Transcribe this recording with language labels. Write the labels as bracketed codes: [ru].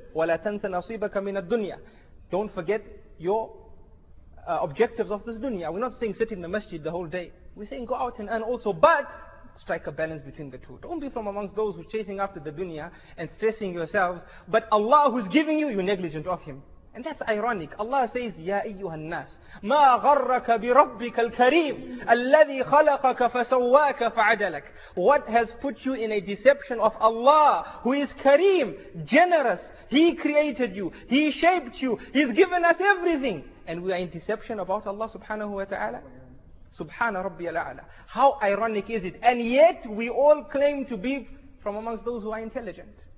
[ar] وَلَا تَنْسَ نَصِيبَكَ مِنَ الدُّنْيَا. [en] Don't forget your objectives of this dunya. We're not saying sit in the masjid the whole day. We're saying go out and earn also. But strike a balance between the two. Don't be from amongst those who are chasing after the dunya and stressing yourselves. But Allah who's giving you, you're negligent of Him. And that's ironic. Allah says, [ar] يَا أَيُّهَا النَّاسِ مَا غَرَّكَ بِرَبِّكَ الْكَرِيمِ الَّذِي خَلَقَكَ فَسَوَّاكَ فَعَدَلَكَ. [en] What has put you in a deception of Allah, who is Kareem, generous. He created you. He shaped you. He's given us everything. And we are in deception about Allah subhanahu wa ta'ala. Subhana rabbiyal a'la. How ironic is it? And yet we all claim to be from amongst those who are intelligent.